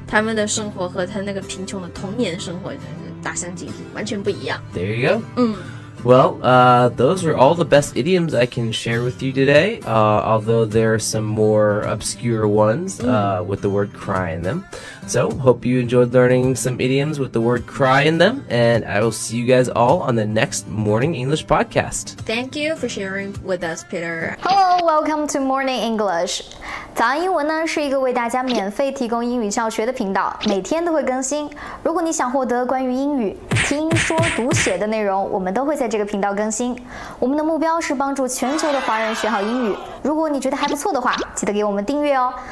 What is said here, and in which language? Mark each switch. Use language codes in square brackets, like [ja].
[zh] 他们的生活和他那个贫穷的童年生活真是大相径庭，完全不一样。 [en] There you go. 嗯。 Well, those are all the best idioms I can share with you today, although there are some more obscure ones with the word cry in them. So, hope you enjoyed learning some idioms with the word cry in them, and I will see you guys all on the next Morning English podcast. Thank you for sharing with us, Peter. Hello, welcome to Morning English. [zh] 早安英文呢是一个为大家免费提供英语教学的频道，每天都会更新。如果你想获得关于英语听说读写的内容，我们都会在这个频道更新。我们的目标是帮助全球的华人学好英语。如果你觉得还不错的话，记得给我们订阅哦。